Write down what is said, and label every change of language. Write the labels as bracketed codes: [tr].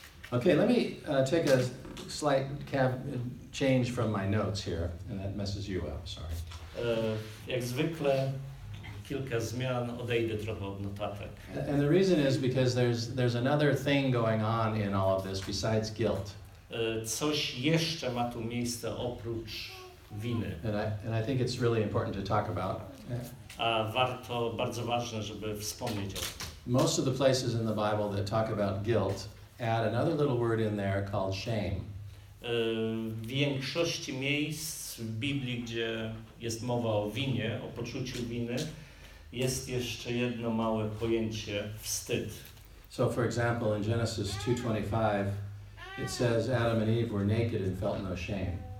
[en] Okay, let me take a slight change from my notes here, and that messes you up. Sorry. [pl] Jak zwykle, kilka zmian, odejdę trochę od notatek. [en] And the reason is because there's another thing going on in all of this besides guilt. [pl] Coś jeszcze ma tu miejsce oprócz winy. [en] And I think it's really important to talk about. [pl] A warto, bardzo ważne, żeby wspomnieć o tym. [en] Most of the places in the Bible that talk about guilt add another little word in there called shame. [pl] W większości miejsc w Biblii, gdzie jest mowa o winie, o poczuciu winy, jest jeszcze jedno małe pojęcie, wstyd. [en] So for example, in Genesis 2:25, it says Adam and Eve were naked and felt no shame.